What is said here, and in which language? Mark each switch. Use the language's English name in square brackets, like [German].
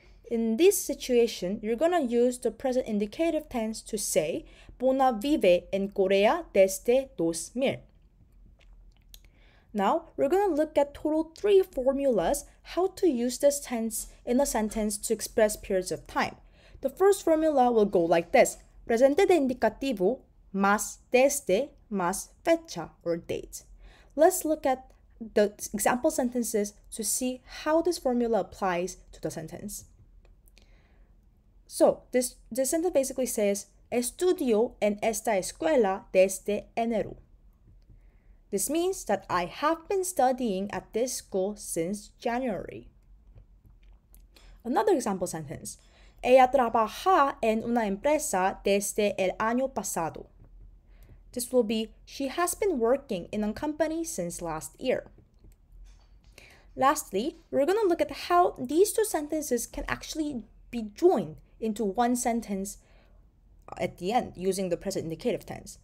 [English] In this situation, you're going to use the present indicative tense to say [Spanish] Bona vive en Corea desde 2000. [English] Now, we're going to look at total three formulas how to use this tense in a sentence to express periods of time. The first formula will go like this. [Spanish] Presente de indicativo más desde más fecha [English] or date. Let's look at the example sentences to see how this formula applies to the sentence. So, this sentence basically says, [Spanish] Estudio en esta escuela desde enero. [English] This means that I have been studying at this school since January. Another example sentence, [Spanish] Ella trabaja en una empresa desde el año pasado. [English] This will be, She has been working in a company since last year. Lastly, we're going to look at how these two sentences can actually be joined into one sentence at the end using the present indicative tense.